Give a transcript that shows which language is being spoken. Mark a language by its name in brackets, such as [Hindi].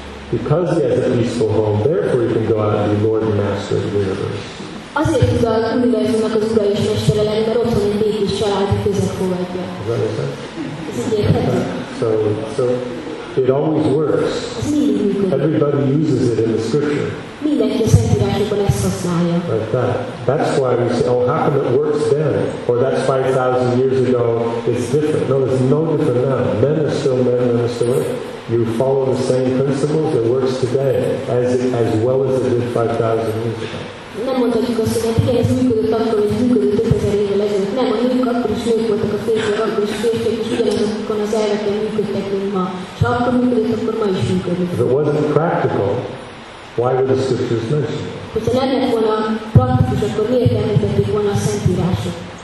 [English] Because he has a peaceful home, therefore he can go out and be Lord and Master of the universe. [Hungarian] Azért tud a univerzumnak az ura és mestere lenni, mert otthon egy békés családi közeg fogadja. Ez így érthető. [English] So it always works. Everybody uses it in the scripture. [Hungarian] Mindenki a szentírásokban ezt használja. [English] Like that. That's why we say, oh, how come it works then? Or that's 5,000 years ago, it's different. No, it's no different now. Men are still men, men are still men. You follow the same principles, it works today as well as it did 5,000 years ago. [Hungarian] Nem mondhatjuk azt, hogy igen, ez működött akkor, hogy működött 5000 évvel ezelőtt. Nem, a nők akkor is nők voltak, a férfiak akkor is férfiak, és ugyanazokon az elveken működtek, mint ma. És ha akkor működött, akkor ma is működött. [English] If it wasn't practical, why were the scriptures mentioned? [Hungarian] Hogyha nem lett volna praktikus, akkor miért említették volna a szentírások?